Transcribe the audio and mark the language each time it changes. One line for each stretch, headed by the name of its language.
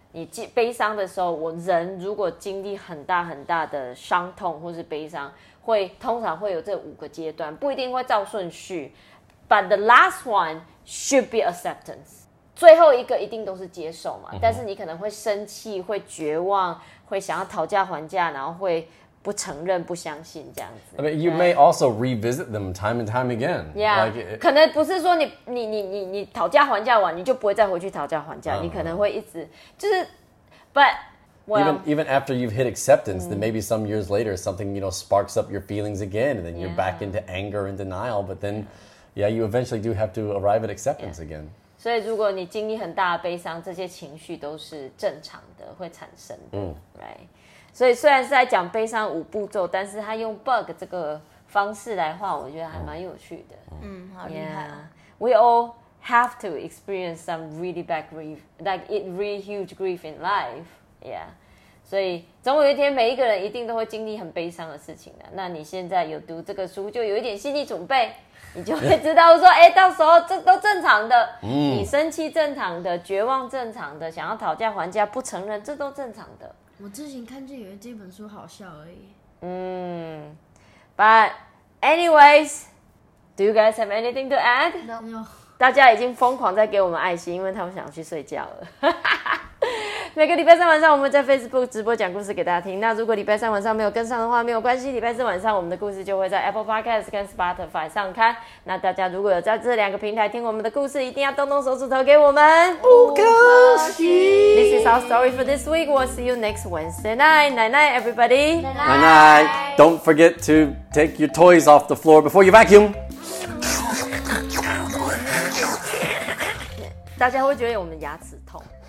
Chinese: 你悲伤的时候，我人如果经历很大很大的伤痛或是悲伤，会通常会有这五个阶段，不一定会照顺序 ，
English: but the last one should be acceptance，
Chinese: 最后一个一定都是接受嘛。但是你可能会生气，会绝望，会想要讨价还价，然后会不承认、不相信这样子。
English: I mean, you may also revisit them time and time again. Yeah, like it,
Chinese: 可能不是说你讨价还价完，你就不会再回去讨价还价。Uh-huh. 你可能会一直就是 ，
English: but well, even after you've hit acceptance,、then maybe some years later something you know sparks up your feelings again, and then you're、back into anger and denial. But then, yeah, you eventually do have to arrive at acceptance、again.
Chinese: 所以如果你经历很大的悲伤，这些情绪都是正常的，会产生的、right? 所以虽然是在讲悲伤五步骤，但是他用 bug 这个方式来画，我觉得还蛮有趣的。好厉害。
English: Yeah. We all have to experience some really bad grief, like it really huge grief in life. Yeah.
Chinese: 所以总有一天每一个人一定都会经历很悲伤的事情的。那你现在有读这个书就有一点心理准备，你就会知道说、到时候这都正常的。你生气正常的，绝望正常的，想要讨价还价不承认，这都正常的。我之前看见有这本书好笑而已。
English: But anyways, do you guys have anything to add? No.
Chinese: 大家已经疯狂在给我们爱心，因为他们想去睡觉了。每个礼拜三晚上我们在 Facebook 直播讲故事给大家听。那如果礼拜三晚上没有跟上的话，没有关系，礼拜四晚上我们的故事就会在 Apple Podcast 跟 Spotify 上开。那大家如果有在这两个平台听我们的故事，一定要动动手指头给我们不客气。
English: This is our story for this week. We'll see you next Wednesday night. Night night everybody. Night night. Don't forget to take your toys off the floor before you vacuum.
Chinese: 大家会觉得我们牙齿痛。